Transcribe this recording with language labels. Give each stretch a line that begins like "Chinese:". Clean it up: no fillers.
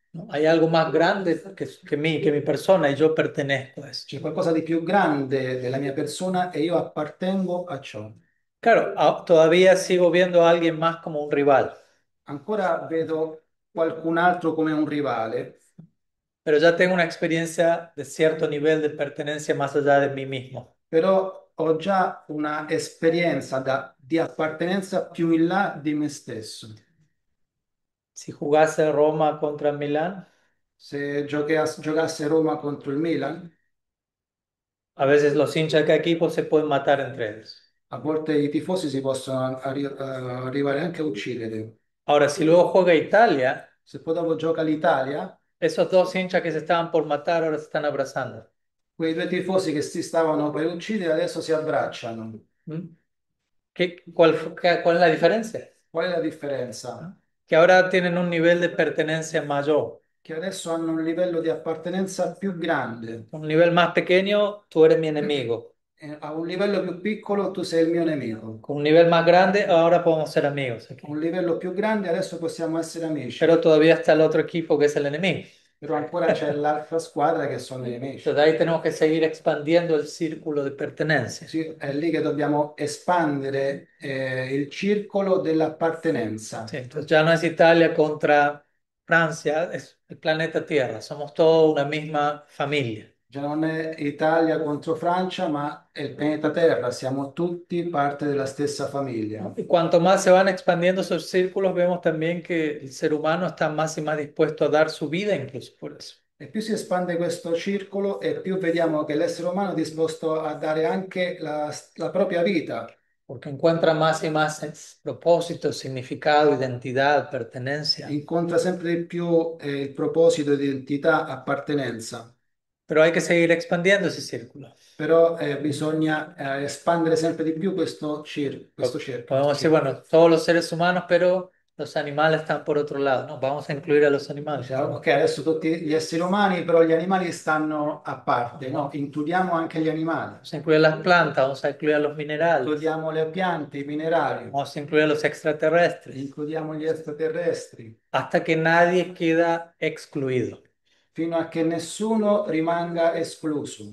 Spanish: ¿No? Hay algo más grande que mi persona y yo pertenezco a eso.
Italian: C'è qualcosa di più grande della mia persona e io appartengo a ciò.
Spanish: Claro, todavía sigo viendo a alguien más como un rival.
Italian: Ancora vedo qualcun altro come un rivale.
Spanish: Pero ya tengo una experiencia de cierto nivel de pertenencia más allá de mí mismo.
Italian: Però ho già una esperienza di appartenenza più in là di me stesso.
Spanish: Si jugase Roma contra Milán,
Italian: Se giocasse Roma contro il Milan.
Spanish: a veces los hinchas de equipo se pueden matar entre ellos.
Italian: A volte i tifosi si possono arrivare anche a uccidere.
Spanish: Ahora, si luego juega Italia,
Italian: Se poi dopo gioca l'Italia,
Spanish: esos dos hinchas que se estaban por matar ahora se están abrazando.
Italian: quei due tifosi che si stavano per uccidere adesso si abbracciano.
Spanish: ¿Cuál es la diferencia?
Italian: Qual è la differenza?
Spanish: Que ahora tienen un nivel de pertenencia mayor.
Italian: Che adesso hanno un livello di appartenenza più grande.
Spanish: Un nivel más pequeño, tú eres mi enemigo.
Italian: A un livello più piccolo tu sei il mio nemico.
Spanish: Con un nivel más grande, ahora podemos ser amigos aquí.
Italian: A un livello più grande adesso possiamo essere amici.
Spanish: Pero todavía está el otro equipo que es el enemigo.
Italian: Pero ancora c'è l'altra squadra che sono i nemici.
Spanish: Dai, tenemos que seguir expandiendo el círculo de pertenencia.
Italian: Sì, è lì che dobbiamo espandere il circolo dell'appartenenza.
Spanish: Sí, entonces ya no es Italia contra Francia, es el planeta Tierra, somos toda una misma familia.
Italian: Già non è Italia contro Francia, ma è il pianeta Terra, siamo tutti parte della stessa famiglia.
Spanish: Y cuanto más se van expandiendo esos círculos, vemos también que el ser humano está más y más dispuesto a dar su vida incluso por eso.
Italian: E più si espande questo circolo, e più vediamo che l'essere umano è disposto a dare anche la propria vita.
Spanish: Porque encuentra más y más propósito, significado, identidad, pertenencia.
Italian: Incontra sempre più il proposito, identità, appartenenza.
Spanish: Pero hay que seguir expandiendo ese círculo.
Italian: Però bisogna espandere sempre di più questo cerchio.
Spanish: Podemos decir, bueno, todos los seres humanos, pero los animales están por otro lado, ¿no? Vamos a incluir a los animales.
Italian: Ok, adesso tutti gli esseri umani, però gli animali stanno a parte, no? Includiamo anche gli animali.
Spanish: Vamos a incluir las plantas, vamos a incluir a los minerales,
Italian: Includiamo le piante, i minerali. Includiamo
Spanish: vamos a incluir a los extraterrestres,
Italian: gli extraterrestri.
Spanish: hasta que nadie queda excluido.
Italian: Fino a che nessuno rimanga escluso.